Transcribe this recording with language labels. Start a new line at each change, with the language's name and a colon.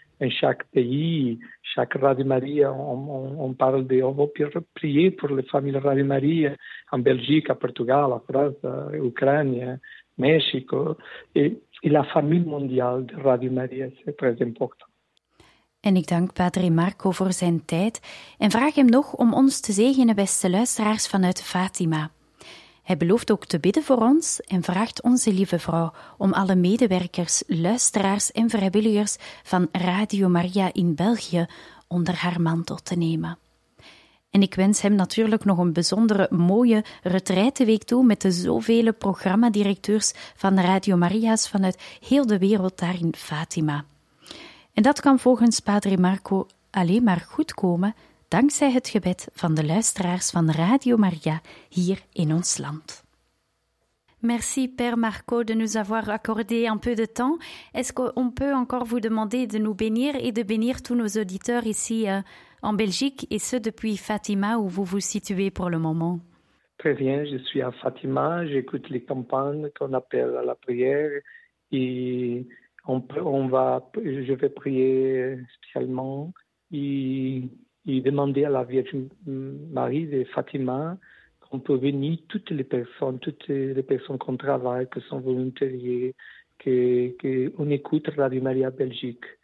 French: En chaque pays, chaque Radio Maria, on parle de, on va prier pour les familles Radio Maria, en Belgique, à Portugal, à France, à Ukraine, à Mexico. Et la famille mondiale de Radio Maria, c'est très important.
Dutch: En ik dank Padre Marco voor zijn tijd en vraag hem nog om ons te zegenen, beste luisteraars vanuit Fatima. Hij belooft ook te bidden voor ons en vraagt onze lieve vrouw om alle medewerkers, luisteraars en vrijwilligers van Radio Maria in België onder haar mantel te nemen. En ik wens hem natuurlijk nog een bijzondere mooie retraiteweek toe met de zoveel programmadirecteurs van Radio Maria's vanuit heel de wereld daar in Fatima. En dat kan volgens Padre Marco alleen maar goed komen. Dankzij het gebed van de luisteraars van Radio Maria hier in ons land.
French: Merci Père Marco de nous avoir accordé un peu de temps. Est-ce qu'on peut encore vous demander de nous bénir et de bénir tous nos auditeurs ici en Belgique et ceux depuis Fatima où vous vous situez pour le moment? Très bien, je suis à Fatima, j'écoute les campagnes qu'on appelle à la prière et je vais prier spécialement et demander à la Vierge Marie de Fatima qu'on peut venir toutes les personnes qu'on travaille, que sont volontaires, qu'on écoute Radio Maria Belgique.